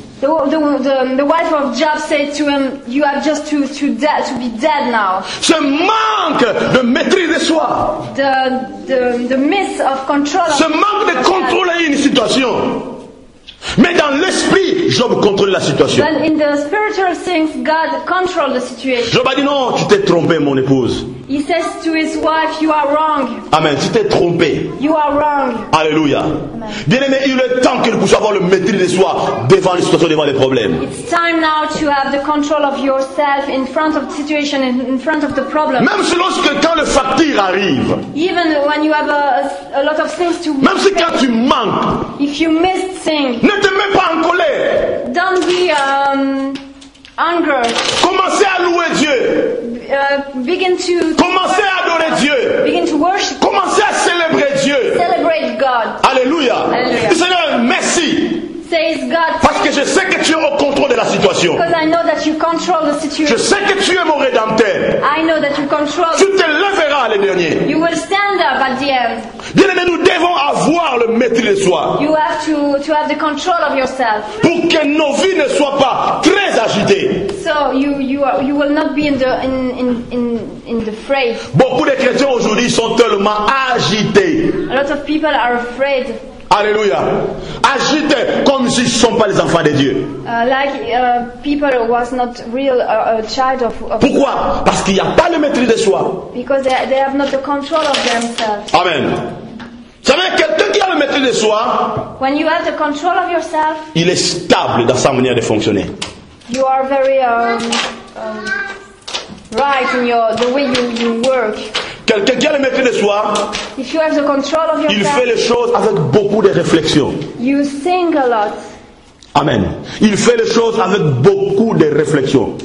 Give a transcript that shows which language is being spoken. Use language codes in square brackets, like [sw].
[en] The wife of Job said to him, you have just to be dead now. [fr] Ce manque de maîtrise de soi. [en] The miss of control. [fr] Ce manque de contrôler une situation. Mais dans l'esprit, Job contrôle la situation. [en] But in the spiritual things, God controls the situation. [fr] Job a dit non, tu t'es trompé, mon épouse. [en] He says to his wife, you are wrong. [fr] Amen, tu t'es trompé. [en] You are wrong. Alléluia. [fr] Bien-aimé, il est temps que nous puissions avoir le maîtrise de soi devant les situations, devant les problèmes. [en] It's time now to have the control of yourself in front of the situation, in front of the problem. [fr] Même si lorsque quand le facteur arrive. [en] Even when you have a lot of things to. [fr] Même si quand tu manques. [en] If you miss things. [fr] Ne te mets pas en colère. [en] Don't be angry. [fr] Commencez à louer Dieu. Commencez à adorer Dieu. [en] Begin to worship. [fr] Commencez à célébrer Dieu. [en] Celebrate God. Alléluia. Alléluia. [fr] Seigneur, merci. [en] Says God. [fr] Parce que je sais que tu es au contrôle de la situation. [en] Because I know that you control the situation. [fr] Je sais que tu es mon rédempteur. [en] I know that you control. [fr] Tu te lèveras les derniers. [en] You will stand up at the end. [fr] Bien-aimé, nous devons avoir le maîtrise de soi. [en] You have to have the control of yourself. [fr] Pour que nos vies ne soient pas très agitées. [en] So you will not be in the fray. [fr] Beaucoup de chrétiens aujourd'hui sont tellement agités. [en] A lot of people are afraid. Alléluia. [fr] Agité comme s'ils ne sont pas les enfants de Dieu. [en] People was not real a child of God. [fr] Pourquoi? Parce qu'il n'y a pas le maîtrise de soi. [en] Because they have not the control of themselves. Amen. [fr] Ça veut dire que quelqu'un qui a le maîtrise de soi, [en] when you have the control of yourself, [fr] il est stable dans sa manière de fonctionner. [en] You are very right in the way you work. [fr] Quelqu'un qui a le maîtrise de soi, [en] if you have the control of yourself, [fr] il fait les choses avec beaucoup de réflexion. [en] You think a lot. Amen. [fr] Il fait les choses avec beaucoup de réflexion.